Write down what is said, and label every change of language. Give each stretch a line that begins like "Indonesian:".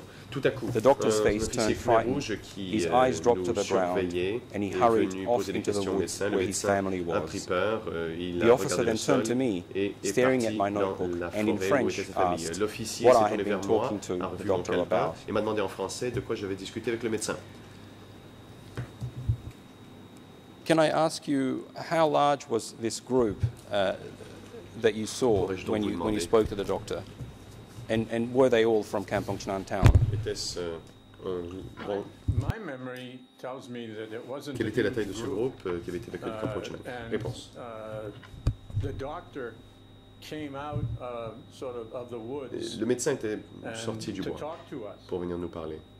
French: Tout à coup,
English: the doctor's face turned frightened, his eyes dropped to the ground, and he hurried off into the woods where his family was. The officer then turned to me, staring at my notebook, and in French asked what I had been talking to the doctor about.
French: Et m'a demandé en français de quoi je vais discuter avec le médecin.
English: Can I ask you how large was this group that you saw when you spoke to the doctor? And were they all from Kampong Chenan town? My memory tells me that it wasn't
French: quelle était la taille de ce groupe qui avait été évacué de Kampong Chenan? Réponse.
English: The doctor came out sort of the woods.
French: Le médecin était sorti du bois pour venir nous parler.